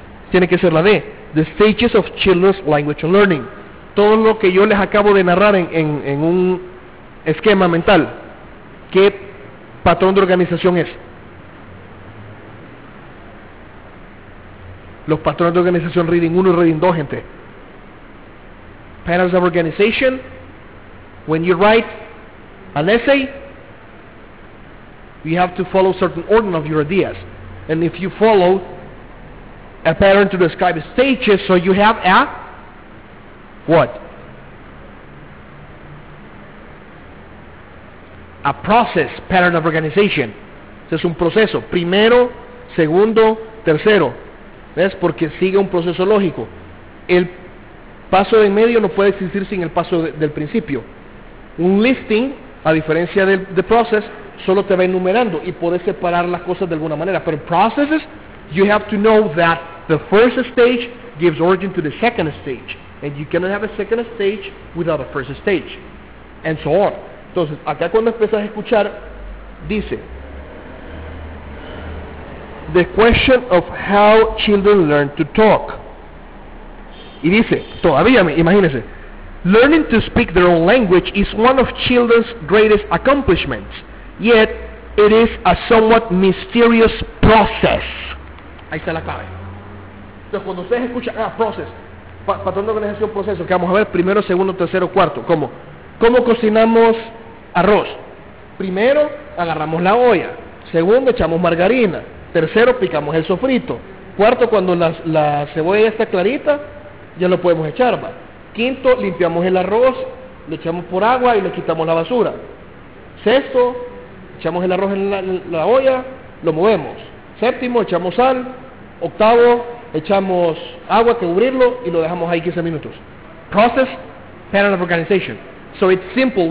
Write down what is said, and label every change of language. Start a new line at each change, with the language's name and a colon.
Spanish: Tiene que ser la D,
English: The Stages of Children's Language Learning.
Spanish: Todo lo que yo les acabo de narrar en un esquema mental, ¿qué patrón de organización es? Los patrones de organización Reading 1 y Reading 2, gente.
English: Patterns of Organization, when you write an essay, you have to follow certain order of your ideas. And if you follow a pattern to describe stages, so you have a what? A process, pattern of organization.
Spanish: Es un proceso. Primero, segundo, tercero. ¿Ves? Porque sigue un proceso lógico. El paso de en medio no puede existir sin el paso del principio. Un listing, a diferencia de process, solo te va enumerando y puedes separar las cosas de alguna manera. Pero
English: processes, you have to know that the first stage gives origin to the second stage. And you cannot have a second stage without a first stage. And so on.
Spanish: Entonces, acá cuando empiezas a escuchar, dice,
English: The question of how children learn to talk.
Spanish: Y dice, todavía, imagínense,
English: Learning to speak their own language is one of children's greatest accomplishments. Yet, it is a somewhat mysterious process.
Spanish: Ahí está la clave. Entonces, cuando ustedes escuchan, process, patrón de organización, proceso, que vamos a ver, primero, segundo, tercero, cuarto, ¿cómo? ¿Cómo cocinamos arroz? Primero, agarramos la olla. Segundo, echamos margarina. Tercero, picamos el sofrito. Cuarto, cuando la cebolla ya está clarita, ya lo podemos echar, ¿va? Quinto, limpiamos el arroz, le echamos por agua y le quitamos la basura. Sexto, echamos el arroz en la olla, lo movemos. Séptimo, echamos sal. Octavo, echamos agua, cubrirlo y lo dejamos ahí 15 minutos.
English: Process, pattern of organization. So it's simple.